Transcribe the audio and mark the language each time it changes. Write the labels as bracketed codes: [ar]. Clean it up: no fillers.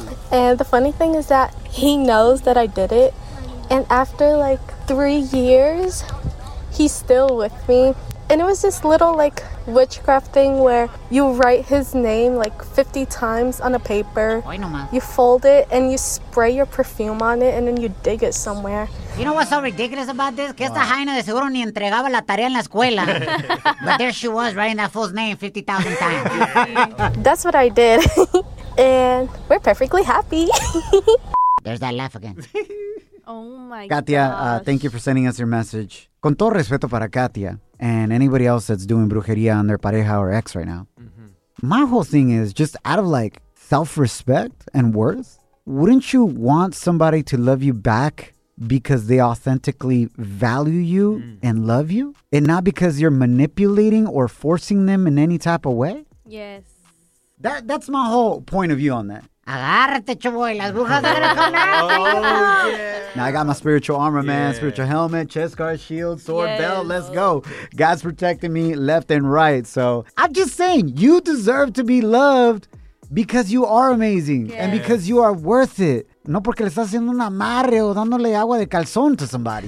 [en] And the funny thing is that he knows that I did it. And after like 3 years, he's still with me. And it was this little like witchcraft thing where you write his name like 50 times on a paper. [es] Hoy nomás. [en] You fold it and you spray your perfume on it and then you dig it somewhere. You know what's so ridiculous about this? [es] Que esta jaina de seguro ni entregaba la tarea en la escuela. [en] But there she was writing that fool's name 50,000 times. That's what I did. And we're perfectly happy. There's that laugh again. Katia, thank you for sending us your message. [es] Con todo respeto para Katia [en] and anybody else that's doing brujería on their pareja or ex right now. Mm-hmm. My whole thing is just out of like self-respect and worth, wouldn't you want somebody to love you back because they authentically value you and love you? And not because you're manipulating or forcing them in any type of way? Yes. That's my whole point of view on that. [es] Agárrate, chavoy, las brujas van a come [en] out. Now I got my spiritual armor, man. Spiritual helmet, chest guard, shield, sword, belt. Let's go. God's protecting me left and right. So I'm just saying, you deserve to be loved because you are amazing and because you are worth it. [es] No porque le estás haciendo un amarre o dándole agua de calzón [en] to somebody.